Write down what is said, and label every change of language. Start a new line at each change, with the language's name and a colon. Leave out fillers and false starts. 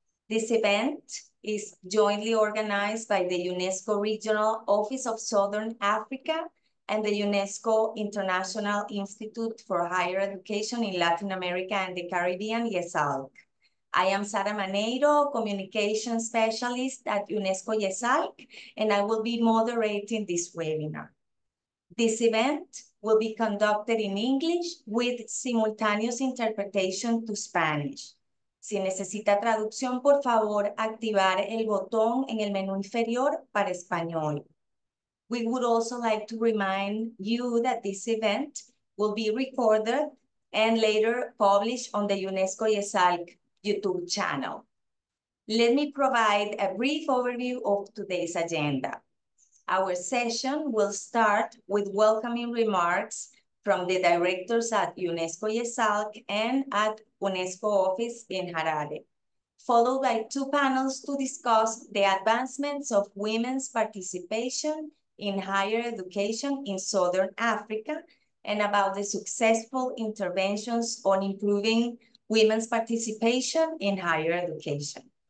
English: This event is jointly organized by the UNESCO Regional Office of Southern Africa and the UNESCO International Institute for Higher Education in Latin America and the Caribbean, IESALC. I am Sara Maneiro, Communication Specialist at UNESCO IESALC, and I will be moderating this webinar. This event will be conducted in English with simultaneous interpretation to Spanish.
Spanish: Si necesita traducción, por favor, activar el botón en el menú inferior para español.
English: We would also like to remind you that this event will be recorded and later published on the UNESCO IESALC YouTube channel. Let me provide a brief overview of today's agenda. Our session will start with welcoming remarks from the directors at UNESCO IESALC and at UNESCO office in Harare, followed by two panels to discuss the advancements of women's participation in higher education in Southern Africa and about the successful interventions on improving women's participation in higher education.